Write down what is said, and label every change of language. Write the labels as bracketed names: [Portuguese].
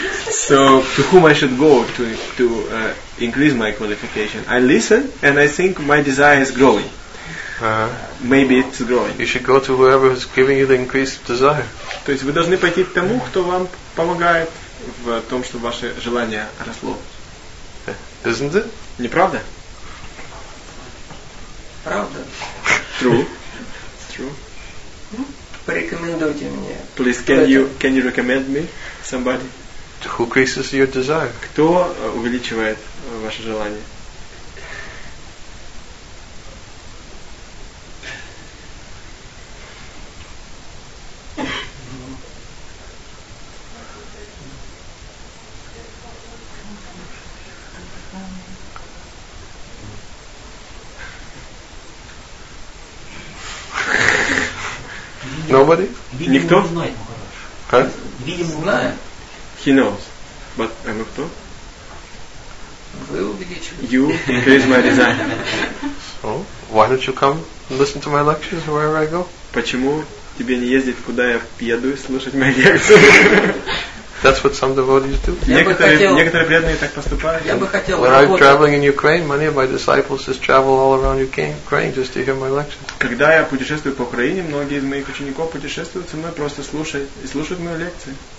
[English] So to whom I should go to increase my qualification? I listen and I think my desire is growing. Maybe it's growing. You should go to whoever is giving you the increased desire. [Russian] То есть вы должны пойти к тому, кто вам помогает в том, чтобы ваше желание росло. [English] Isn't it? [Russian] Не правда? Правда. [English] True. [Russian] Порекомендуйте мне. [English] Please, can you recommend me somebody? Who increases your desire? [Russian] Кто увеличивает ваше желание? [English] Nobody? [Russian] Видимо, никто? Он знает, ну хорошо. Как? Видимо, знает. [English] He knows. But I'm a [Russian] кто? Вы увеличиваете. [English] You increase my desire. So, why don't you come listen to my lectures wherever I go? [Russian] Почему тебе не ездить, куда я еду, слушать мои лекции? [English] That's what some devotees do. [Russian] Некоторые преданные так поступают. Я бы хотел работать. [English] When I'm traveling in Ukraine, many of my disciples just travel all around Ukraine just to hear my lectures. [Russian] Когда я путешествую по Украине, многие из моих учеников путешествуют со мной просто слушать и слушают мои лекции.